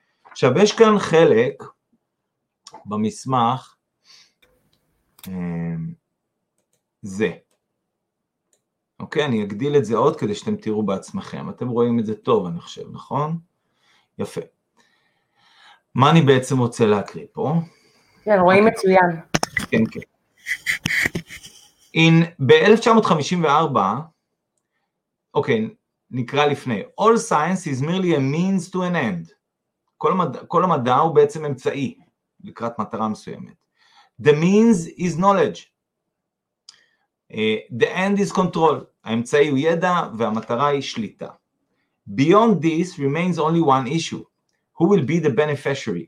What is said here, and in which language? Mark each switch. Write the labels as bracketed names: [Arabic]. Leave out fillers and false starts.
[Hebrew] עכשיו, יש כאן חלק במסמך זה. אוקיי, אני אגדיל את זה עוד כדי שאתם תראו בעצמכם. אתם רואים את זה טוב, אני חושב, נכון? יפה. מה אני בעצם רוצה להקריא פה? כן, רואים מצוין. כן, כן. ב-1954, אוקיי, נקרא לפני, [English] All science is merely a means to an end. [Hebrew] כל המדע הוא בעצם אמצעי, לקראת מטרה מסוימת. [English] The means is knowledge. The end is control. [Hebrew] האמצעי הוא ידע והמטרה היא שליטה. [English] Beyond this remains only one issue. Who will be the beneficiary?